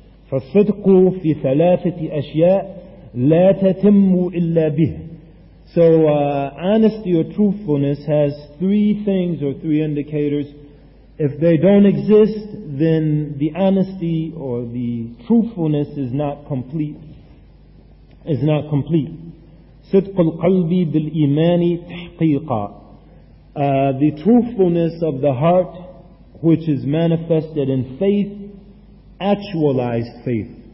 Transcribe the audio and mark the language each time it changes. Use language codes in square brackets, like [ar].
[ar] فَالصِّدْقُ فِي ثَلَاثَةِ أَشْيَاءٍ لَا تَتِمُّ إِلَّا بِهِ. [en] So honesty or truthfulness has three things or three indicators. If they don't exist, then the honesty or the truthfulness is not complete. Is not complete. [ar] صدق القلب بالإيمان تحقيقا. [en] The truthfulness of the heart, which is manifested in faith, actualized faith.